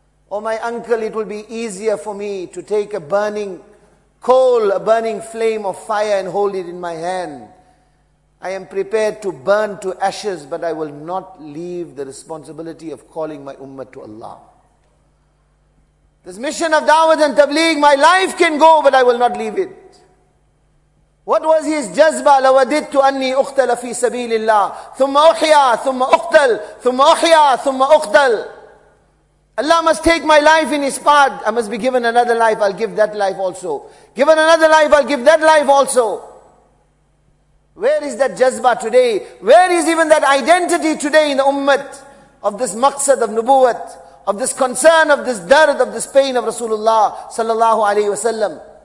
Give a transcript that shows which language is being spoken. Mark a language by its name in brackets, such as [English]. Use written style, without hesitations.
[English] Oh my uncle, it will be easier for me to take a burning coal, a burning flame of fire and hold it in my hand. I am prepared to burn to ashes, but I will not leave the responsibility of calling my ummah to Allah. This mission of da'wah and tabligh, my life can go, but I will not leave it. What was his jazba? [Arabic] لَوَدِدْتُ أَنِّي أُخْتَلَ فِي سَبِيلِ اللَّهِ ثُمَّ أُخْيَا ثُمَّ أُخْتَلْ ثُمَّ أُخْيَا ثُمَّ أُخْتَلْ. [English] Allah must take my life in His path. I must be given another life, I'll give that life also. Given another life, I'll give that life also. Where is that jazba today? Where is even that identity today in the ummah of this maqsad of nubuwat, of this concern, of this dard, of this pain of Rasulullah sallallahu alayhi wasallam?